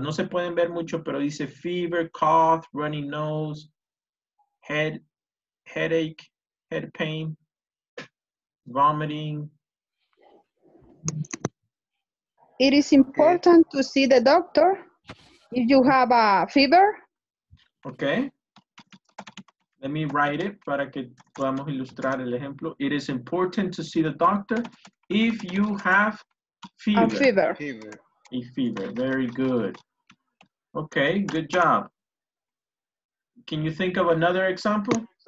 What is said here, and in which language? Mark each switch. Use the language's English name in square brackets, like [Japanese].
[Spanish] No se pueden ver mucho, pero dice [English] fever, cough, runny nose, headache, head pain, vomiting. It is important to see the doctor if you have a fever. Okay. Let me write it [Spanish] para que podamos ilustrar el ejemplo. [English] It is important to see the doctor if you have fever. A fever. Very good. Okay, good job. Can you think of another example?